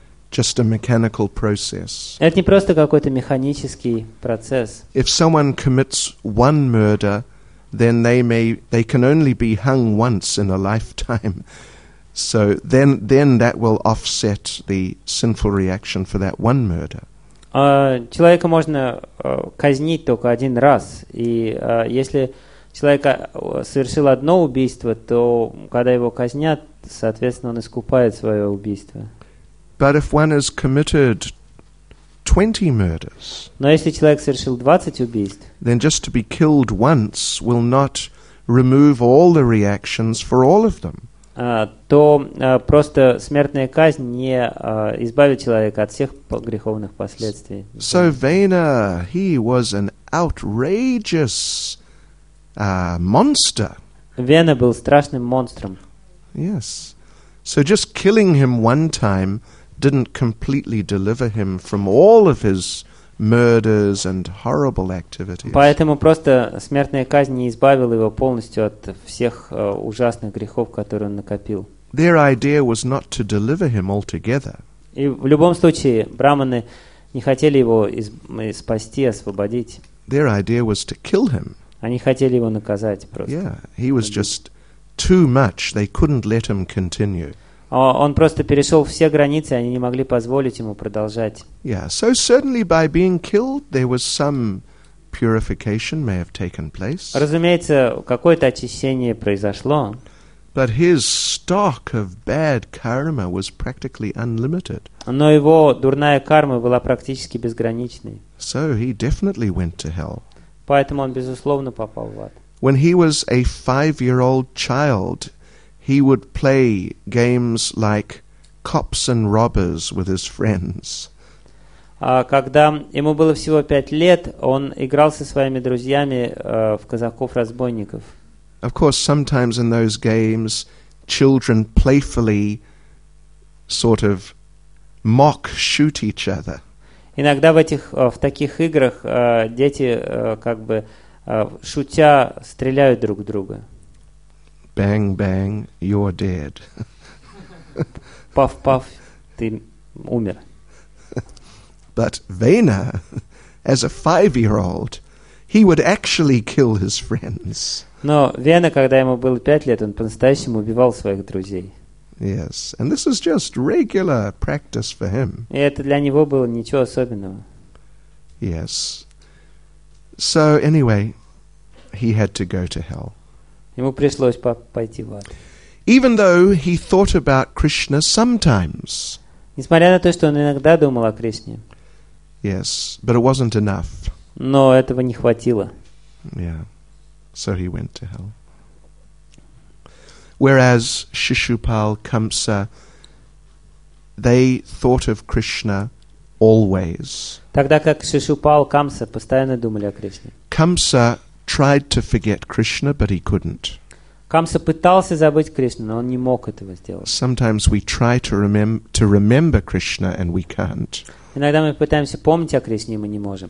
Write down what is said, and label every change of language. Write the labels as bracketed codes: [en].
[en] just a mechanical process. [ru] Это не просто какой-то механический процесс. [en] If someone commits one murder, then they can only be hung once in a lifetime. So then that will offset the sinful reaction for that one murder. [ru] Человека можно казнить только один раз, и если человек совершил одно убийство, то когда его казнят, соответственно, он искупает свое убийство. [en] But if one has committed 20 murders, [ru] но если человек совершил 20 убийств, [en] then just to be killed once will not remove all the reactions for all of them. [ru] То просто смертная казнь не избавит человека от всех греховных последствий. [en] So Vena, he was an outrageous monster. [ru] Вена был страшным монстром. [en] Yes. So just killing him one time didn't completely deliver him from all of his murders and horrible activities. [ru] Поэтому просто смертная казнь не избавила его полностью от всех ужасных грехов, которые он накопил. [en] Their idea was not to deliver him altogether. [ru] И в любом случае браманы не хотели его спасти, освободить. [en] Their idea was to kill him. [ru] Они хотели его наказать просто. [en] Yeah, he was just too much. They couldn't let him continue. [ru] Он просто перешел все границы, они не могли позволить ему продолжать. [en] Yeah, so certainly by being killed, there was some purification may have taken place. [ru] Разумеется, какое-то очищение произошло. [en] But his stock of bad karma was practically unlimited. [ru] Но его дурная карма была практически безграничной. [en] So he definitely went to hell. [ru] Поэтому он безусловно попал в ад. [en] When he was a 5-year-old child, he would play games like cops and robbers with his friends. [ru] Когда ему было всего 5 лет, он играл со своими друзьями в казаков-разбойников. [en] Of course, sometimes in those games, children playfully sort of mock shoot each other. [ru] Иногда в таких играх дети как бы шутя стреляют друг в друга. [en] Bang, bang, you're dead. [ru] Puff, puff, ты умер. [en] But Vena, as a 5-year-old, he would actually kill his friends. [ru] Но Вена, когда ему было 5 лет, он по-настоящему убивал своих друзей. [en] Yes, and this is just regular practice for him. [ru] И это для него было ничего особенного. [en] Yes. So anyway, he had to go to hell. [ru] Ему пришлось пойти в ад. [en] Even though he thought about Krishna sometimes. [ru] Несмотря на то, что он иногда думал о Кришне. [en] Yes, but it wasn't enough. [ru] Но этого не хватило. [en] Yeah. So he went to hell. Whereas Shishupal, Kamsa, they thought of Krishna always. [ru] Тогда как Шишупал, Камса постоянно думали о Кришне. [en] Kamsa tried to forget Krishna, but he couldn't. [ru] Камса пытался забыть Кришну, но он не мог этого сделать. [en] Sometimes we try to remember Krishna and we can't. [ru] Иногда мы пытаемся помнить о Кришне, и мы не можем.